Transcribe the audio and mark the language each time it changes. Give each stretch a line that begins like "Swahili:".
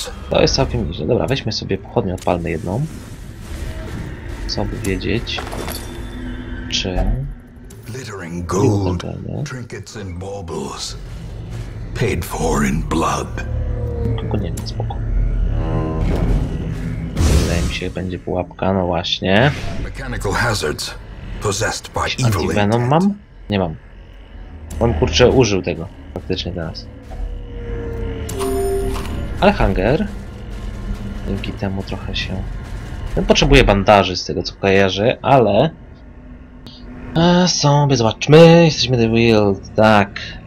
Polish: To jest całkiem nieźle. Dobra, weźmy sobie pochodnię, odpalmy jedną. Co by wiedzieć, czy...
English: Glittering gold, trinkets and baubles, paid for in blood.
Polish: Tylko nie wiem, spoko. Wydaje mi się, że będzie pułapka, no właśnie.
English: Mechanical hazards possessed by evil intent.
Polish: Antivenom mam? Nie mam. On, kurczę, użył tego faktycznie teraz. Ale hunger. Dzięki temu trochę się... Potrzebuję bandaży z tego, co kojarzę, ale... Sobie zobaczmy. Jesteśmy The Wild, tak.